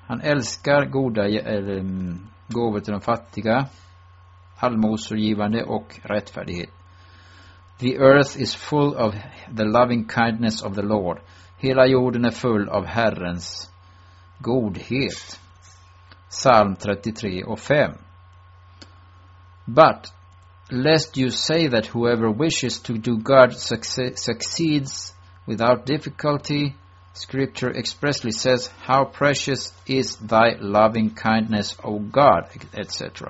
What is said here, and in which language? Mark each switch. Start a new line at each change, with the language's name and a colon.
Swedish: Han älskar goda eller gåvor till de fattiga, allmosorgivande och rättfärdighet.
English: The earth is full of the loving kindness of the Lord.
Swedish: Hela jorden är full av Herrens godhet. Psalm 33:5.
English: But lest you say that whoever wishes to do God succeeds without difficulty, scripture expressly says, how precious is thy loving kindness, O God, etc.